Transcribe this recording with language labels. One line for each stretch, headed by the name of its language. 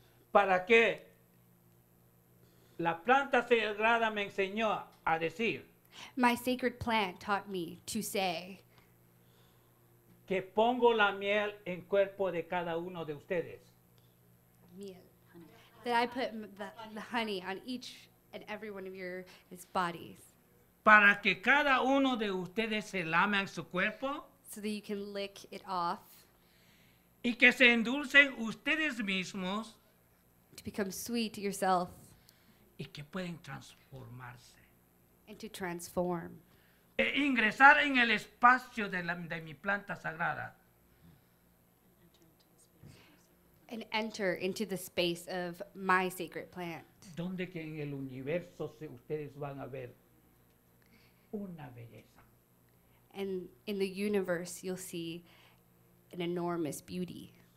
Spanish: ¿Para qué? La planta sagrada me enseñó a decir.
English: My sacred plant taught me to say
Spanish: que pongo la miel en cuerpo de cada uno de ustedes. Miel. Honey.
English: That I put the honey on each and every one of your bodies.
Spanish: Para que cada uno de ustedes se lamen su cuerpo.
English: So that you can lick it off.
Spanish: Y que se endulcen ustedes mismos.
English: To become sweet to yourself.
Spanish: Y que pueden transformarse.
English: And to transform.
Spanish: E ingresar en el espacio de mi planta sagrada.
English: And enter into the space of my sacred plant.
Spanish: Donde que en el universo ustedes van a ver una belleza.
English: And in the universe you'll see an enormous beauty.